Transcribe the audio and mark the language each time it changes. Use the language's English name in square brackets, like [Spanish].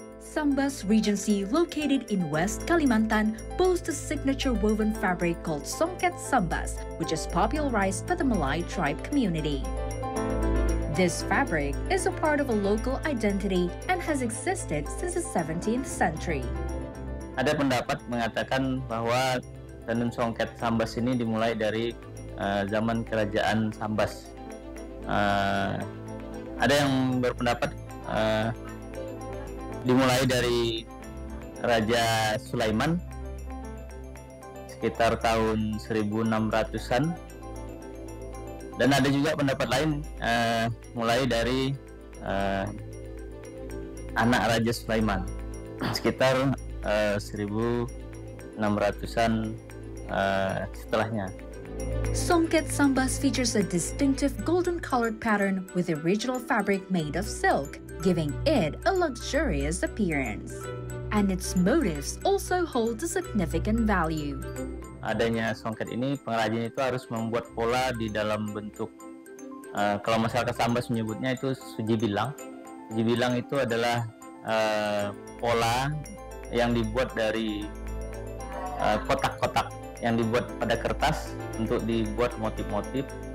[English] Sambas Regency, located in West Kalimantan, boasts a signature woven fabric called Songket Sambas, which is popularized by the Malay tribe community. This fabric is a part of a local identity and has existed since the 17th century. [Indonesian] Ada pendapat mengatakan bahwa tenun Songket Sambas ini dimulai dari zaman kerajaan Sambas. Ada yang berpendapat dimulai dari Raja Sulaiman sekitar tahun 1600-an, dan ada juga pendapat lain mulai dari anak Raja Sulaiman sekitar 1600-an setelahnya. [English] Songket Sambas features a distinctive golden colored pattern with a regional fabric made of silk, giving it a luxurious appearance. And its motifs also hold a significant value. [Indonesian] Adanya songket ini, pengrajin itu harus membuat pola di dalam bentuk, kalau masyarakat Sambas menyebutnya itu sujibilang. Sujibilang itu adalah pola yang dibuat dari kotak-kotak yang dibuat pada kertas untuk dibuat motif-motif.